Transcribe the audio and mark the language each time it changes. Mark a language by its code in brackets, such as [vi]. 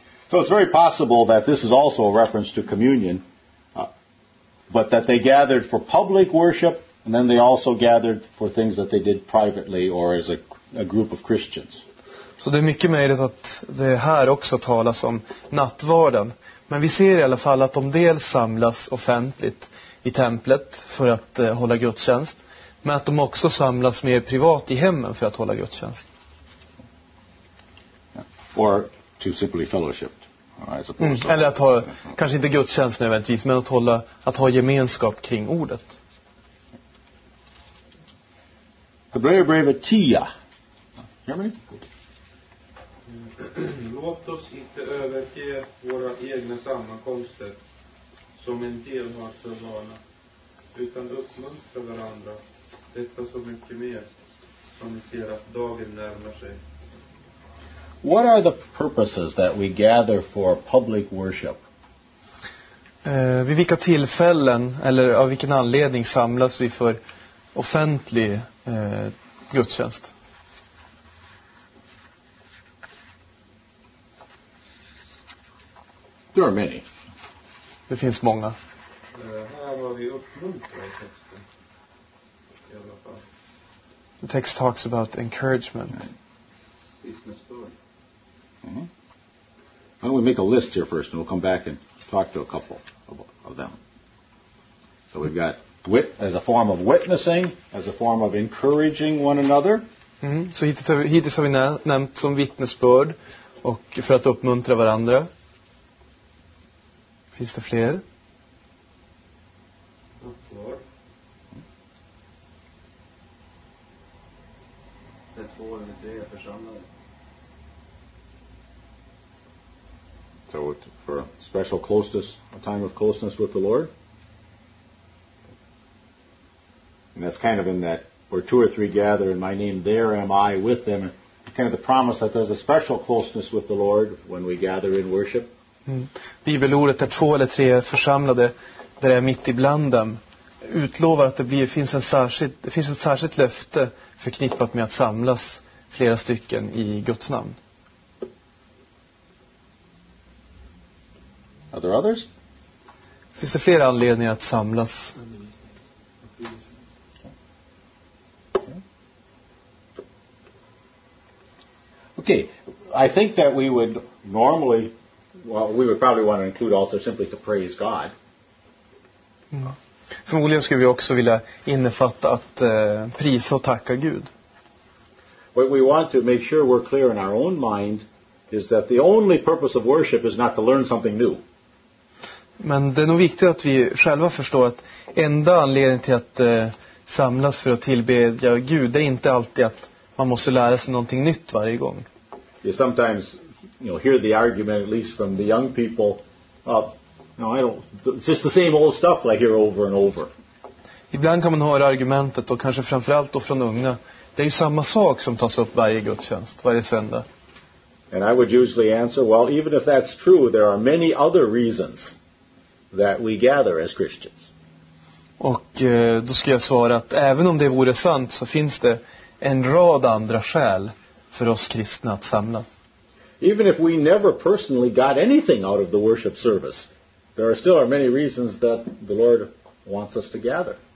[en] So it's very possible that this is also a reference to communion. But that they gathered for public worship, and then they also gathered for things that they did privately or as a group of Christians. [sv] Så det är mycket möjligt att det här också talas om nattvarden. Men vi ser i alla fall att de dels samlas offentligt i templet för att hålla gudstjänst, men att de också samlas mer privat i hemmen för att hålla gudstjänst. [en] Yeah. Or to simply fellowship. [sv] Eller att ha, kanske inte gudstjänst nödvändigtvis, men att ha gemenskap kring ordet. Hebreerbrevet 10, Ja, men. Låt oss inte överge våra egna sammankomster som en del har förvarnat, utan uppmuntra varandra. Detta så mycket mer som vi ser att dagen närmar sig. [en] What are the purposes that we gather for public worship? [sv] Vid vilka tillfällen eller av vilken anledning samlas vi för offentlig gudstjänst? [en] There are many. [sv] Det finns många. Här har vi uppmuntrat [en] texten. The text talks about encouragement. Mm-hmm. Why don't we make a list here first and we'll come back and talk to a couple of them. So we've got wit as a form of witnessing, as a form of encouraging one another. Mm-hmm. [sv] Så hittills har vi nämnt som vittnesbörd och för att uppmuntra varandra. Finns det fler? Uppbörd. Det två eller tre är församlade. [en] So for a special closeness, a time of closeness with the Lord. And that's kind of in that, where two or three gather in my name, there am I with them. And kind of the promise that there's a special closeness with the Lord when we gather in worship. [sv] Bibelordet där två eller tre församlade, där är mitt ibland dem, utlovar att det finns ett särskilt löfte förknippat med att samlas flera stycken i Guds namn. [en] Are there others? [sv] Finns det flera anledningar att samlas? [en] Okay, I think that we would normally, well, we would probably want to include also simply to praise God. [sv] Förmodligen skulle vi också vilja innefatta att prisa och tacka Gud. [en] What we want to make sure we're clear in our own mind is that the only purpose of worship is not to learn something new. [sv] Men det är nog viktigt att vi själva förstår att enda anledningen till att samlas för att tillbedja Gud, det är inte alltid att man måste lära sig någonting nytt varje gång. [en] You sometimes, you know, hear the argument at least from the young people, it's just the same old stuff I hear over and over. [sv] Ibland kan man höra argumentet, och kanske framförallt då från unga, det är ju samma sak som tas upp varje gudstjänst, varje söndag. [en] And I would usually answer, well, even if that's true, there are many other reasons that we gather as Christians. [sv] Och då ska jag svara att även om det vore sant, så finns det en rad andra skäl för oss kristna att samlas. [en] Even if we never personally got anything out of the worship service, there are still are many reasons that the Lord wants us to gather.